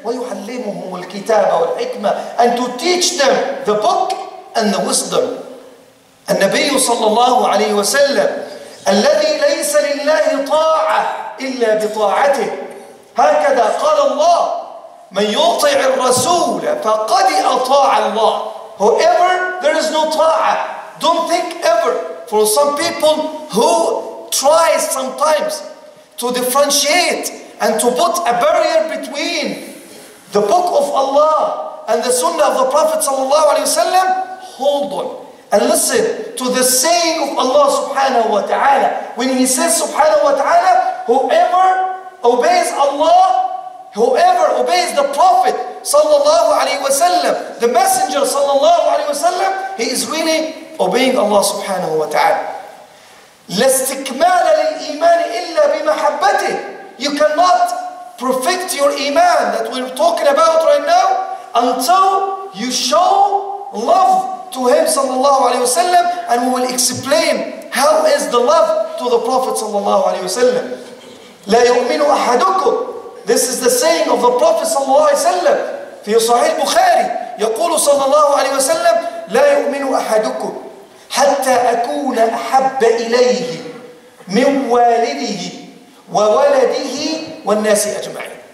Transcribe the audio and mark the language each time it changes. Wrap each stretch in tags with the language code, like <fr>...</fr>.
<ar>ويعلمهم الكتاب والحكمة,</ar> <en>and to teach them the book and the wisdom.</en> <ar>النبي صلى الله عليه وسلم الذي ليس لله طاعة إلا بطاعته. هكذا قال الله, من يطع الرسول فقد أطاع الله.</ar> <en>Whoever, there is no طاعة. Don't think ever for some people who tries sometimes to differentiate and to put a barrier between the book of Allah and the sunnah of the Prophet</en> <ar>صلى الله عليه وسلم.</ar> <en>Hold on and listen to the saying of Allah subhanahu wa ta'ala. When he says subhanahu wa ta'ala, whoever obeys Allah, whoever obeys the Prophet sallallahu alayhi wa sallam, the messenger sallallahu alayhi wa sallam, he is really obeying Allah subhanahu wa ta'ala.</en> <ar>لا استكمال للإيمان إلا بمحبته.</ar> <en>You cannot perfect your iman that we're talking about right now until you show love to him sallallahu alayhi wa sallam, and we will explain how is the love to the Prophet sallallahu alayhi wa sallam.</en> <ar>لا يؤمن أحدكم.</ar> <en>This is the saying of the Prophet sallallahu alayhi wa sallam.</en> <ar>في صحيح البخاري يقول صلى الله عليه وسلم, لا يؤمن أحدكم حتى أكون أحب إليه من والده وولده والناس أجمعين.</ar>